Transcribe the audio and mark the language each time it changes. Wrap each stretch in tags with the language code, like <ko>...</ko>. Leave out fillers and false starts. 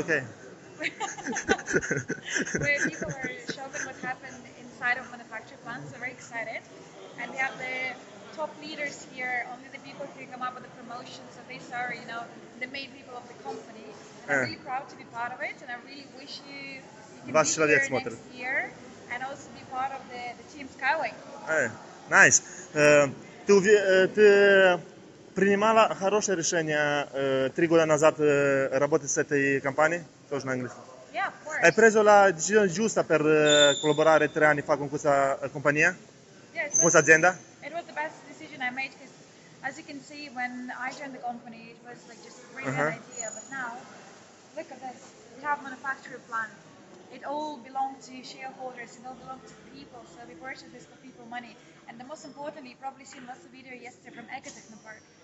<en>Where people were showing what happened inside of manufacturing plants, so very excited. And we have the top leaders here, only the people who come up with the promotion, so these are, you know, the main people of the company. I'm really proud to be part of it, and I really wish you can be here next year and also be part of the team Skyway. Nice.</en> <ru>Ты принимала хорошее решение три года назад работать с этой компанией, тоже на английском?</ru> <en>Yeah, of course.</en> <it>Hai preso la decisione giusta per collaborare tre anni fa con questa compagnia?</it> <en>Yes.</en> <it>Con questa azienda?</it> <en>It was the best decision I made because, as you can see, when I joined the company, it was like just a brilliant idea. But now, look at this. We have a manufacturing plan. It all belongs to shareholders. It all belongs to people. So we purchased this for people money. And the most importantly, you probably seen lots of video yesterday from Ecotechnopark.</en>